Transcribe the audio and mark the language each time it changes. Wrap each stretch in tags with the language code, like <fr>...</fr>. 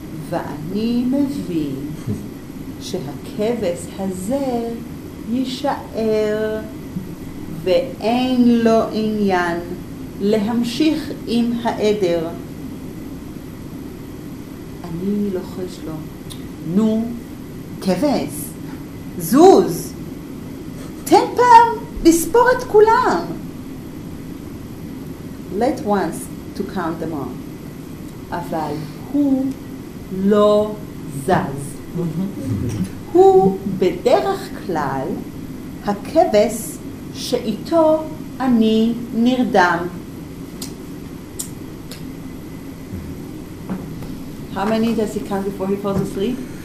<he>ואני מבין שהכבש הזה יישאר ואין לו עניין להמשיך עם העדר. אני לוחש לו, נו, כבש, זוז, תן פעם לספור את כולם.</he> <en>Let once to count them all.</en> <he>אבל הוא לא זז. הוא בדרך כלל הכבש שאיתו אני נרדם.</he> <en>How many does he count before he falls asleep?</en>